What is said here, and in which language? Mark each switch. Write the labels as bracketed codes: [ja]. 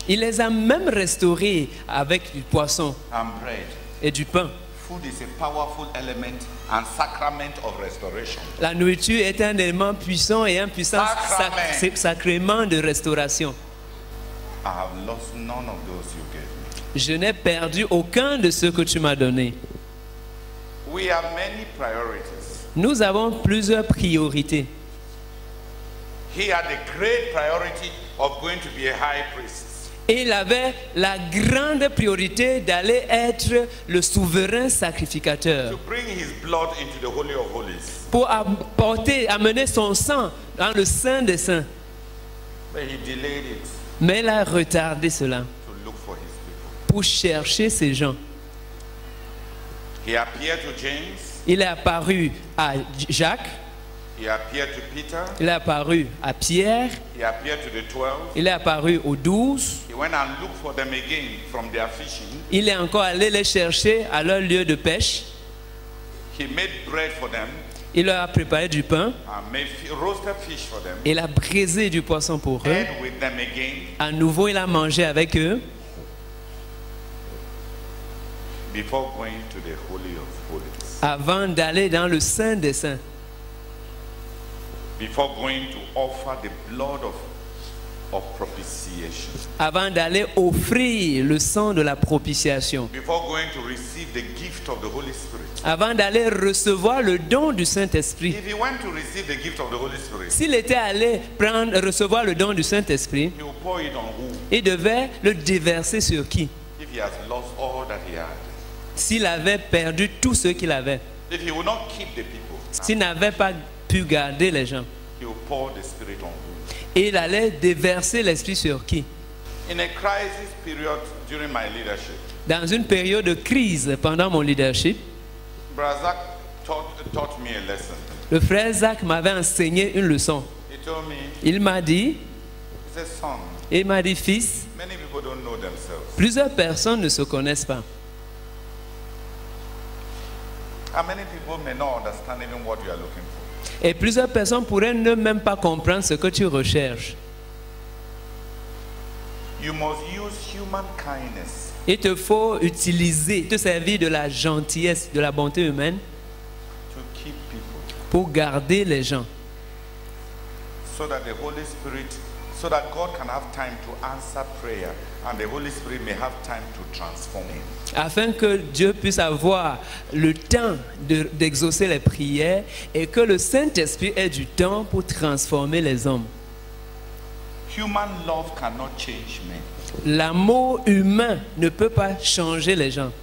[fr] Il les a même restaurés avec du poisson [en] and bread. [fr] Et du pain. [en] Food is a powerful element and sacrament of restoration. [fr] La nourriture est un élément puissant et un puissant sacrement de restauration. [en] I have lost none of those you gave me. [fr] Je n'ai perdu aucun de ceux que tu m'as donné. [en] We have many priorities. [fr] Nous avons plusieurs priorités. [en] He had the great priority of going to be a high priest. [fr] Il avait la grande priorité d'aller être le souverain sacrificateur. [en] To bring his blood into the Holy of Holies. [fr] Pour apporter, amener son sang dans le Saint des Saints. [en] But he delayed it. [fr] Mais il a retardé cela. [en] To look for his people. [fr] Pour chercher ses gens. [en] He appeared to James. [fr] Il est apparu à Jacques. [en] He appeared to Peter. [fr] Il est apparu à Pierre. [en] He appeared to the 12. [fr] Il est apparu aux 12. [en] He went and looked for them again from their fishing. [fr] Il est encore allé les chercher à leur lieu de pêche. [en] He made bread for them. [fr] Il leur a préparé du pain. [en] And made roasted fish for them. [fr] Il a braisé du poisson pour eux. [en] Ate with them again. [fr] À nouveau, il a mangé avec eux. [en] Before going to the Holy of Holies. [fr] Avant d'aller dans le Saint des Saints. [en] Before going to offer the blood of propitiation. [fr] Avant d'aller offrir le sang de la propitiation. [en] Before going to receive the gift of the Holy Spirit. [fr] Avant d'aller recevoir le don du Saint-Esprit. [en] If he went to receive the gift of the Holy Spirit. [fr] S'il était allé prendre, recevoir le don du Saint-Esprit. [en] He would pour it on who? [fr] Il devait le déverser sur qui? [en] If he has lost all that he had. [fr] S'il avait perdu tout ce qu'il avait. [en] If he would not keep the people, [fr] s'il n'avait pas pu garder les gens. [en] He would pour the Spirit on you. [fr] Et il allait déverser l'Esprit sur qui? [en] In a crisis period during my leadership, [fr] dans une période de crise pendant mon leadership, [en] Brother Zach taught me a lesson. [fr] Le frère Zach m'avait enseigné une leçon. [en] He told me, [fr] il m'a dit, [en] it's a song. [fr] Il m'a dit, fils, [en] many people don't know themselves. [fr] Plusieurs personnes ne se connaissent pas. [en] How many people may not understand even what you are looking for? [fr] Et plusieurs personnes pourraient ne même pas comprendre ce que tu recherches. [en] You must use human kindness. [fr] Il te faut utiliser, te servir de la gentillesse, de la bonté humaine [en] to keep people. [fr] Pour garder les gens. [en] So that the Holy Spirit, so that God can have time to answer prayer. And the Holy Spirit may have time to transform him. [fr] Afin que Dieu puisse avoir le temps d'exaucer les prières et que le Saint-Esprit ait du temps pour transformer les hommes. [en] Human love cannot change men. [fr] L'amour humain ne peut pas changer les gens.